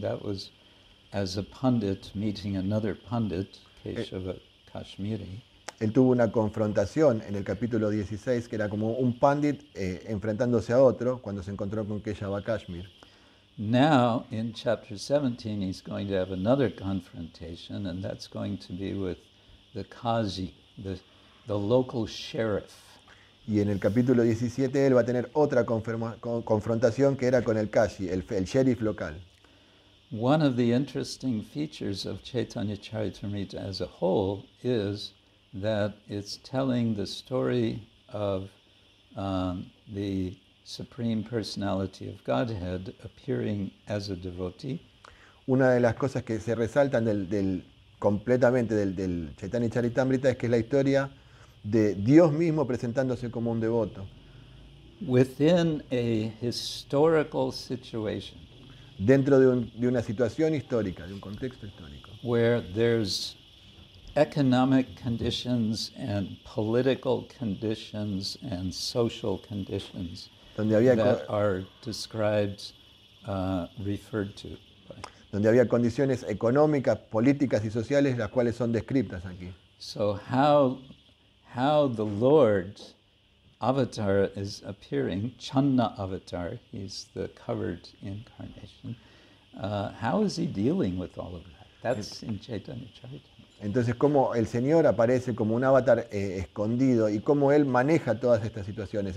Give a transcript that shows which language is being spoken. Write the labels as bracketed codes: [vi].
[en] That was as a pundit meeting another pundit, Keshava Kashmiri. [es] Él tuvo una confrontación en el capítulo 16 que era como un pundit enfrentándose a otro cuando se encontró con Keshava Kashmir. [en] Now in chapter 17 he's going to have another confrontation, and that's going to be with the Qazi, the local sheriff. [es] Y en el capítulo 17 él va a tener otra confrontación que era con el Qazi, el sheriff local. [en] One of the interesting features of Chaitanya Charitamrita as a whole is that it's telling the story of the Supreme Personality of Godhead appearing as a devotee. [es] Una de las cosas que se resaltan del Chaitanya Charitamrita es que es la historia de Dios mismo presentándose como un devoto. [en] Within a historical situation. [es] Dentro de una situación histórica, de un contexto histórico. [en] Where there's economic conditions and political conditions and social conditions that are described, referred to. [es] Donde había condiciones económicas, políticas y sociales las cuales son descritas aquí. [en] So how the Lord avatar is appearing, Channa avatar, he's the covered incarnation. How is he dealing with all of that? That's in Chaitanya Charitamrita. [es] Entonces, ¿cómo el Señor aparece como un avatar escondido y cómo él maneja todas estas situaciones?